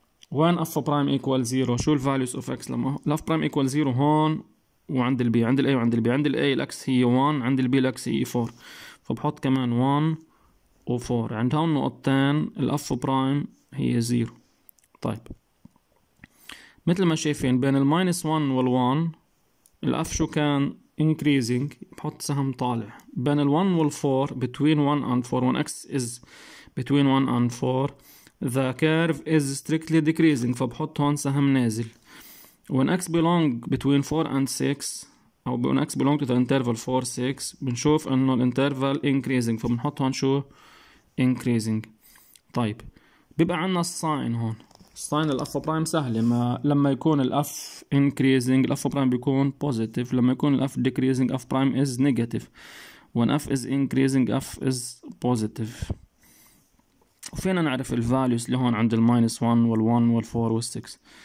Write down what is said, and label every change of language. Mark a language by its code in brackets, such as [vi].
[ar] وين اف برايم ايكوال 0؟ شو الفاليوز اوف اكس لما الاف برايم ايكوال 0؟ هون وعند البي، عند الاي وعند البي. عند الاي الاكس هي 1، عند البي الاكس هي 4، فبحط كمان 1 و 4. عند هون نقطتين الاف برايم هي 0. طيب مثل ما شايفين بين الماينس 1 وال1 الاف شو كان increasing، بحط سهم طالع. بين ال 1 وال 4 [en] between 1 and 4 when x is between 1 and 4 the curve is strictly decreasing، [ar] فبحط هون سهم نازل. [en] when x belong between 4 and 6 او when x belong to the interval 4 6 [ar] بنشوف انه الانترفال increasing، فبنحط هون شو؟ increasing. طيب بيبقى عندنا الساين هون، الساين الاف برايم سهل، لما يكون الاف انكريزنج الاف برايم بيكون بوزيتيف، لما يكون الاف ديكريزنج [en] F prime is negative, when F is increasing F is positive. [ar] وفينا نعرف الفاليوز اللي هون عند الماينس 1 وال1 وال4 وال6.